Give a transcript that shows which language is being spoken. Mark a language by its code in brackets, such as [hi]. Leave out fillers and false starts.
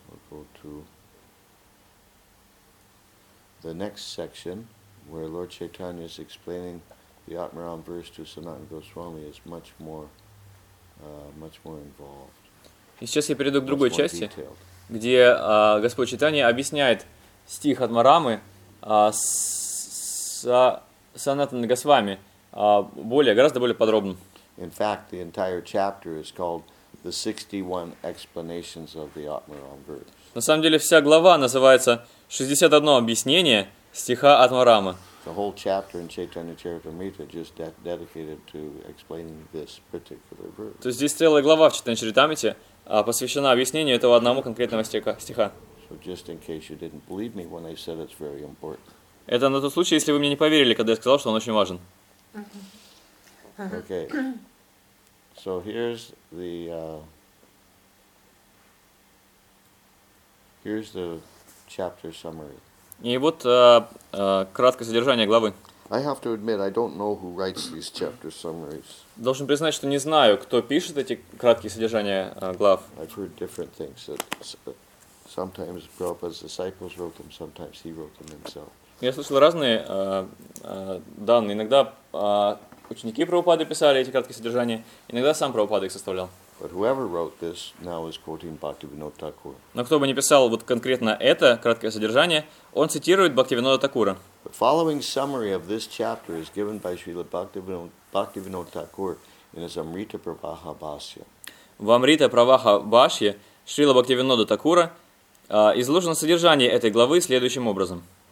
[en] We'll go to the next section, where Lord Chaitanya is explaining the Atmaram verse to Sanatana Goswami is much more involved. [ru] И сейчас я перейду к другой части, где Господь Чайтанья объясняет стих Атмарамы Санатана Госвами гораздо более подробно. [en] In fact, the entire chapter is called the 61 explanations of the Atmaram verse. [ru] На самом деле вся глава называется 61 объяснение стиха Атмарамы. [en] The whole chapter in Chaitanya Charitamrita just dedicated to explaining this particular verse. [ru] То есть здесь целая глава в Чайтанья Чаритамрите посвящена объяснению этого одного конкретного стиха. [en] So just in case you didn't believe me when I said it's very important. [ru] Это на тот случай, если вы мне не поверили, когда я сказал, что он очень важен. [en] Okay. So here's the chapter summary. [ru] И вот краткое содержание главы. [en] I have to admit, I don't know who writes these chapter summaries. [ru] Должен признать, что не знаю, кто пишет эти краткие содержания глав. [en] I've heard different things that sometimes Prabhupada's disciples wrote them, sometimes he wrote them himself. [ru] Я слышал разные данные. Иногда ученики Прабхупады писали эти краткие содержания, иногда сам Прабхупада их составлял. [en] But whoever wrote this now is quoting Bhaktivinoda Thakura. [ru] Но кто бы ни писал вот конкретно это краткое содержание, он цитирует Бхактивинода Такура. [en] The following summary of this chapter is given by Srila Bhaktivinoda Thakura in his Amrita Pravaha Bhashya. [ru] В Амрита Праваха Бхашье Шрила Бхактивинода Такура изложено содержание этой главы следующим образом.